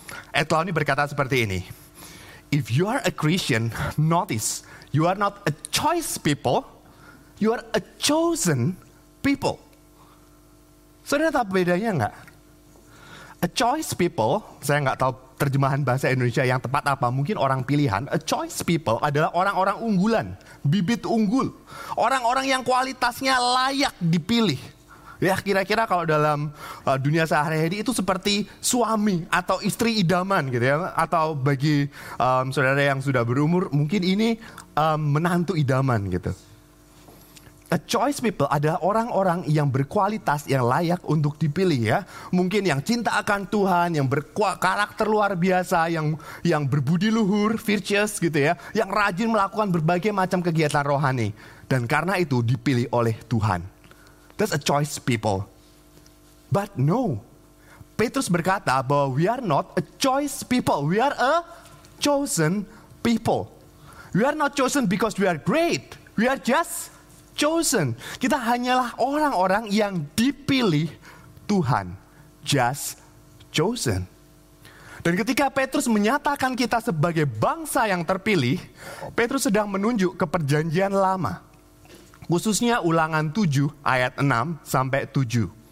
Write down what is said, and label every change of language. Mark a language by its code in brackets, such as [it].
[en] Ed Clowney [id] berkata seperti ini, [en] if you are a Christian, notice you are not a choice people, you are a chosen people. [id] Saudara tahu bedanya enggak? [en] A choice people, [id] saya enggak tahu terjemahan bahasa Indonesia yang tepat apa, mungkin orang pilihan. [en] A choice people [id] adalah orang-orang unggulan, bibit unggul. Orang-orang yang kualitasnya layak dipilih. Ya, kira-kira kalau dalam dunia sehari-hari itu seperti suami atau istri idaman gitu ya. Atau bagi saudara yang sudah berumur, mungkin ini menantu idaman gitu. [en] A choice people [id] adalah orang-orang yang berkualitas, yang layak untuk dipilih ya. Mungkin yang cinta akan Tuhan, yang berkarakter luar biasa, yang berbudi luhur, virtuous gitu ya. Yang rajin melakukan berbagai macam kegiatan rohani. Dan karena itu dipilih oleh Tuhan. [en] That's a choice people. But no, [id] Petrus berkata bahwa [en] we are not a choice people. We are a chosen people. We are not chosen because we are great. We are just chosen. [id] Kita hanyalah orang-orang yang dipilih Tuhan. [en] Just chosen. [id] Dan ketika Petrus menyatakan kita sebagai bangsa yang terpilih, Petrus sedang menunjuk ke perjanjian lama. Khususnya Ulangan 7 ayat 6 sampai 7.